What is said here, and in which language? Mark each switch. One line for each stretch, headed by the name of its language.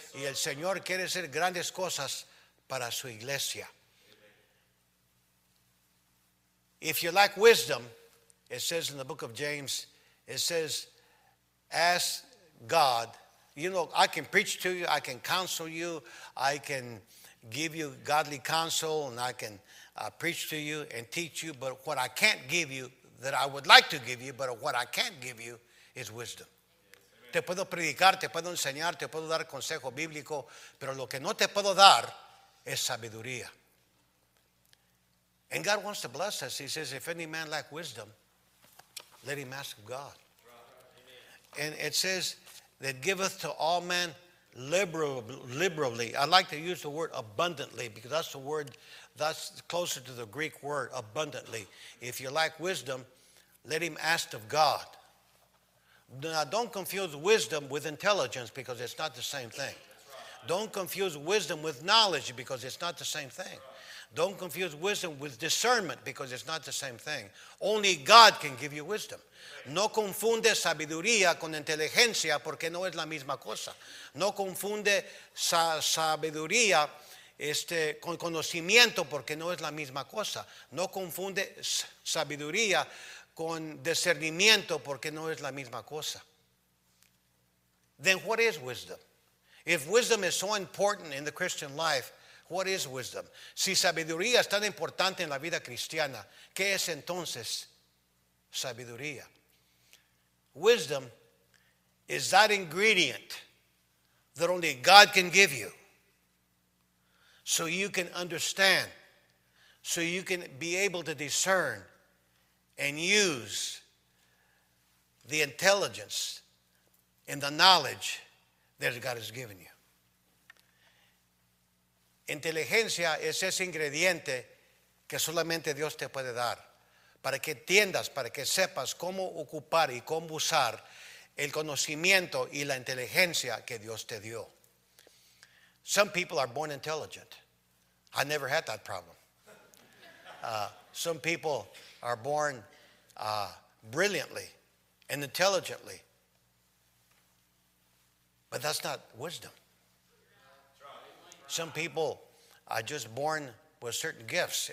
Spanish: Yes, y el Señor quiere hacer grandes cosas para su iglesia.
English: Amen. If you lack wisdom, it says in the book of James, it says, ask God. You know, I can preach to you, I can counsel you, I can give you godly counsel, and I can preach to you and teach you, but what I can't give you, that I would like to give you, but what I can't give you is wisdom.
Spanish: Te puedo predicar, te puedo enseñar, te puedo dar consejo bíblico, pero lo que no te puedo dar es sabiduría.
English: And God wants to bless us. He says, if any man lack wisdom, let him ask of God. And it says that giveth to all men liberally. I like to use the word abundantly, because that's the word that's closer to the Greek word abundantly. If you lack wisdom, let him ask of God. Now, don't confuse wisdom with intelligence, because it's not the same thing. Don't confuse wisdom with knowledge, because it's not the same thing. Don't confuse wisdom with discernment, because it's not the same thing. Only God can give you wisdom.
Spanish: No confunde sabiduría con inteligencia, porque no es la misma cosa. No confunde sabiduría con conocimiento, porque no es la misma cosa. No confunde sabiduría con discernimiento, porque no es la misma cosa.
English: Then what is wisdom? If wisdom is so important in the Christian life, what is wisdom?
Spanish: Si sabiduría es tan importante en la vida cristiana, ¿qué es entonces sabiduría?
English: Wisdom is that ingredient that only God can give you, so you can understand, So you can be able to discern and use the intelligence and the knowledge that God has given you.
Spanish: Inteligencia es ese ingrediente que solamente Dios te puede dar para que entiendas, para que sepas cómo ocupar y cómo usar el conocimiento y la inteligencia que Dios te dio.
English: Some people are born intelligent. I never had that problem. Some people are born brilliantly and intelligently. But that's not wisdom. Some people are just born with certain gifts.